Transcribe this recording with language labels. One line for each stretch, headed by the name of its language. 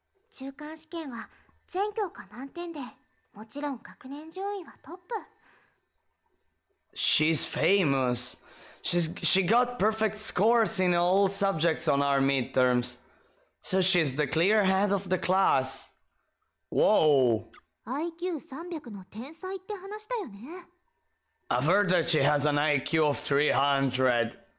Japanese: 中間試験は全教科満点で、もちろん学年順位はトップ。
English: She's famous. She got perfect scores in all subjects on our midterms. So she's the clear head of the class. Whoa!
Japanese: IQ300 の天才って話だよね。
English: I've heard that she has an IQ of 300.